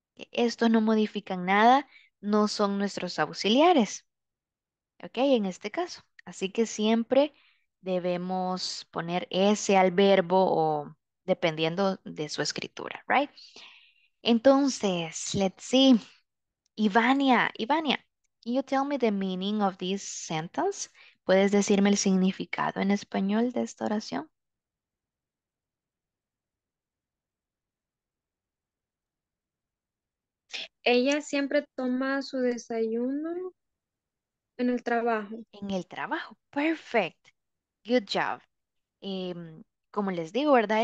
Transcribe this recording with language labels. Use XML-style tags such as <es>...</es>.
<es>Estos no modifican nada, no son nuestros auxiliares. Ok, en este caso. Así que siempre debemos poner ese al verbo o dependiendo de su escritura, right?</es> <en>Entonces, let's see. Ivania, can you tell me the meaning of this sentence?</en> <es>¿Puedes decirme el significado en español de esta oración? Ella siempre toma su desayuno en el trabajo. En el trabajo.</es> <en>Perfect. Good job.</en> <es>Como les digo, ¿verdad?</es>